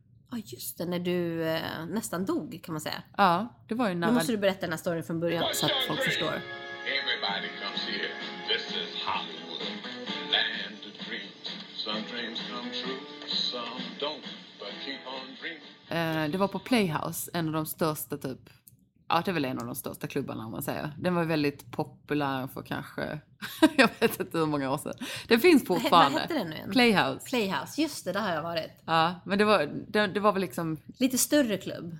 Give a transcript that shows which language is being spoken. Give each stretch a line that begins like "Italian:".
Swedish: Ja just det, när du nästan dog kan man säga. Ja, det var ju när... Nu måste du berätta den här storyn från början så att folk förstår.
English: Everybody comes here, this is Hollywood, land of dreams. Some dreams come true, some don't, but keep on dreaming.
Swedish: Det var på Playhouse, en av de största typ... Ja, det är väl en av de största klubbarna om man säger. Den var väldigt populär för kanske... Jag vet inte hur många år sedan. Den finns fortfarande. Vad heter den nu igen? Playhouse. Playhouse, just det, där har jag varit. Ja, men det var väl liksom... Lite större klubb.